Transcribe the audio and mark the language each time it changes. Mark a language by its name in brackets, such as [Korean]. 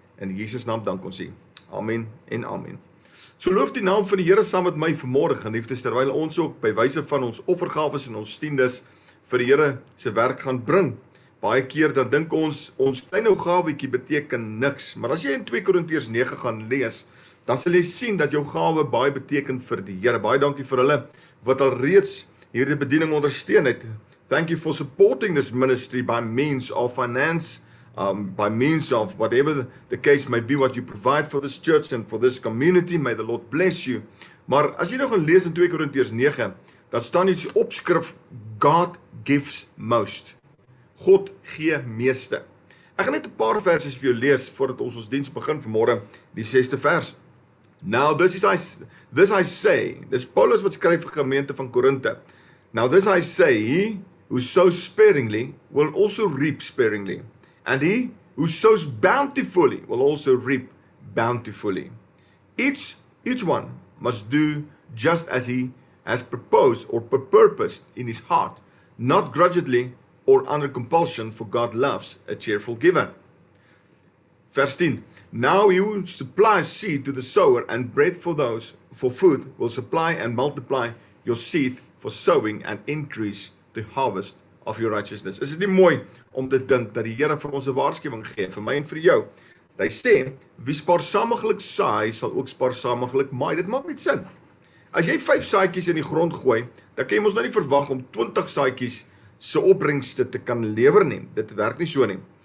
[Afrikaans] In Jesus naam dank ons u. Amen en amen. So loof die naam van die Here saam met my vanmôre geliefdes terwyl ons ook by wyse van ons offergawes en ons tiendes vir die Here se werk gaan bring. Baie keer dan dink ons klein ou gawetjie beteken niks, maar as jy in 2 Korintiërs 9 gaan lees, dan sal jy sien dat jou gawe baie beteken vir die Here. Baie dankie vir hulle wat al reeds hierdie bediening ondersteun het. [English] Thank you for supporting this ministry by means of finance, by means of whatever the case might be, what you provide for this church and for this community, may the Lord bless you. [Afrikaans] Maar as jy nou gaan lees in 2 Korintiërs 9, dan staan iets opskrif, [English] God gives most. [Afrikaans] God gee meeste. Ek gaan net 'n paar versies vir jou lees voordat ons diens begin vanmôre, die 6de vers. [English] Now this I say, [Afrikaans] dis Paulus wat skryf vir gemeente van Korinthe. [English] Now this I say, he who sows sparingly will also reap sparingly. And he who sows bountifully will also reap bountifully. Each one must do just as he has proposed or purposed in his heart, not grudgingly or under compulsion, for God loves a cheerful giver. Verse 10. Now he who supplies seed to the sower and bread for those for food will supply and multiply your seed for sowing and increase the harvest of your righteousness. [Afrikaans] Is dit nie mooi om te dink dat die Here vir ons 'n waarskuwing gee, vir my en vir jou. Hy sê, wie spaarsamiglik saai, sal ook spaarsamiglik maai. Dit maak net sin. As jy 5 saaitjies in die grond gooi, dan kan jy mos nou nie verwag om 20 saaitjies se opbrengste te kan lewer nie. Dit werk nie so nie.